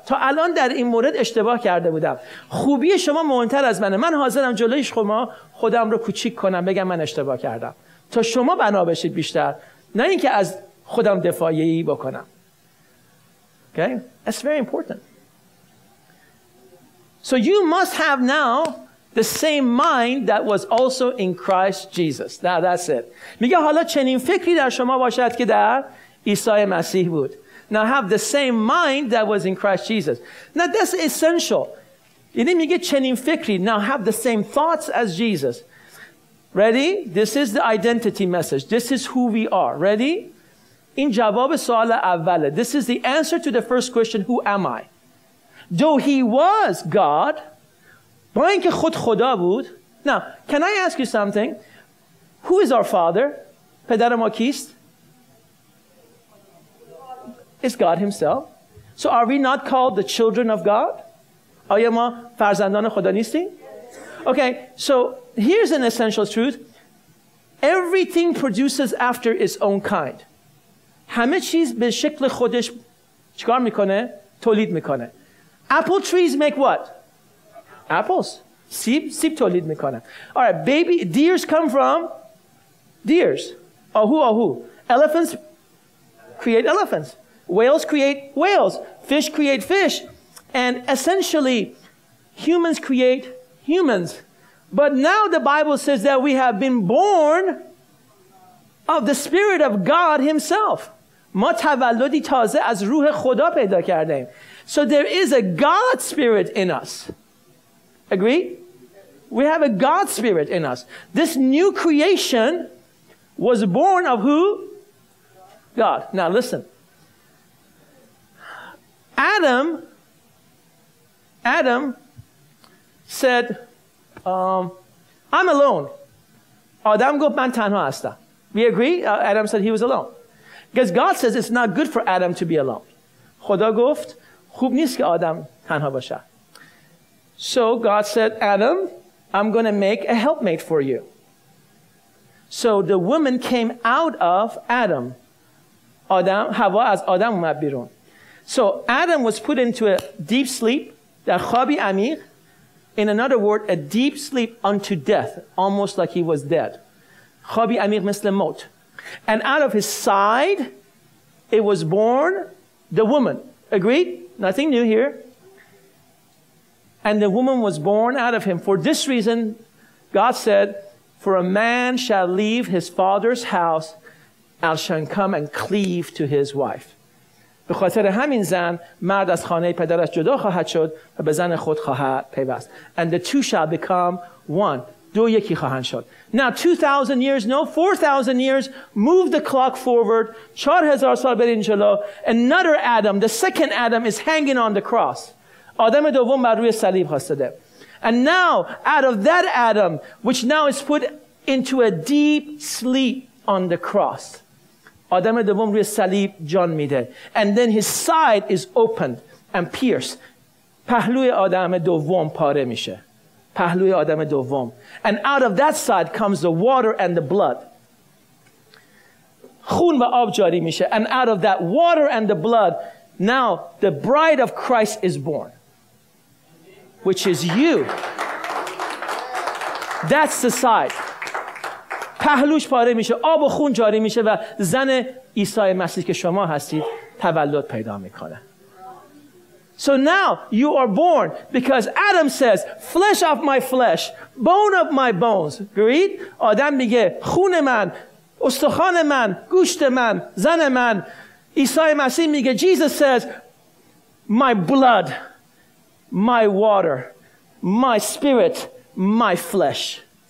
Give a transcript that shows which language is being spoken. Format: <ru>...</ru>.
<fa>تا الان در این مورد اشتباه کرده بودم. خوبی شما مهمتر از منه. من حاضرم جلوی شما خودم رو کوچیک کنم بگم من اشتباه کردم. تا شما بنا بشید بیشتر. نه اینکه از خودم دفاعی بکنم.</fa> <en>Okay? That's very important. So you must have now the same mind that was also in Christ Jesus. Now that's it.</en> <fa>میگه حالا چنین فکری در شما باشد که در عیسی مسیح بود.</fa> <en>Now have the same mind that was in Christ Jesus. Now that's essential.</en> <fa>یعنی میگه چنین فکری.</fa> <en>Now have the same thoughts as Jesus. Ready? This is the identity message. This is who we are. Ready?</en> <fa>این جواب سوال اوله.</fa> <en>This is the answer to the first question, who am I? Though he was God,</en> <fa>با اینکه خود خدا بود.</fa> <en>Now, can I ask you something? Who is our father?</en> <fa>پدر ما کیست?</fa> <en>It's God himself. So are we not called the children of God?</en> <fa>آیا ما فرزندان خدا نیستیم?</fa> <en>Okay, so here's an essential truth. Everything produces after its own kind.</en> <fa>همه چیز به شکل خودش چکار میکنه؟ تولید میکنه.</fa> <en>Apple trees make what? Apples.</en> <fa>سیب تولید میکنه.</fa> <en>All right, baby deers come from deers. آهو. Elephants create elephants. Whales create whales. Fish create fish. And essentially, humans create humans. But now the Bible says that we have been born of the Spirit of God himself.</en> <fa>ما تولدی تازه از روح خدا پیدا کردیم.</fa> <en>So there is a God spirit in us. Agree? We have a God spirit in us. This new creation was born of who? God. Now listen. Adam said, I'm alone. Adam</en> <fa>گفت من تنها هستم.</fa> <en>We agree? Adam said he was alone. Because God says it's not good for Adam to be alone.</en> <fa>خدا گفت خوب نیست که آدم تنها باشه.</fa> <en>So God said, Adam, I'm going to make a helpmate for you. So the woman came out of Adam.</en> <fa>آدم، حوا از آدم اومد بیرون.</fa> <en>So Adam was put into a deep sleep,</en> <fa>در خوابی عمیق.</fa> <en>In another word, a deep sleep unto death, almost like he was dead.</en> <fa>خوابی عمیق مثل موت.</fa> <en>And out of his side, it was born the woman. Agreed? Nothing new here. And the woman was born out of him. For this reason, God said, for a man shall leave his father's house and shall come and cleave to his wife.</en> <fa>به خاطر همین زن مرد از خانه پدرش جدا خواهد شد و به زن خود خواهد پیوست.</fa> <en>And the two shall become one.</en> <fa>دو یکی خواهند شد.</fa> <en>Now 2,000 years, no, 4,000 years, move the clock forward.</en> <fa>4,000 سال برین جلو.</fa> <en>Another Adam, the second Adam is hanging on the cross.</en> <fa>آدم دوم بر روی صلیب هستده.</fa> <en>And now, out of that Adam, which now is put into a deep sleep on the cross.</en> <fa>آدم دوم روی صلیب جان میده.</fa> <en>And then his side is opened and pierced.</en> <fa>پهلوی آدم دوم پاره میشه. پهلوی آدم دوم.</fa> <en>And out of that side comes the water and the blood.</en> <fa>خون و آب جاری میشه.</fa> <en>And out of that water and the blood, now the bride of Christ is born, which is you. That's the side.</en> <fa>پهلوش پاره میشه، آب و خون جاری میشه و زن عیسی مسیح که شما هستید تولد پیدا میکنه.</fa> <en>So now you are born because Adam says, flesh of my flesh, bone of my bones. Agreed?</en> <fa>آدم میگه خون من، استخوان من، گوشت من، زن من. عیسی مسیح میگه،</fa> <en>Jesus says, my blood, my water, my spirit, my flesh.</en>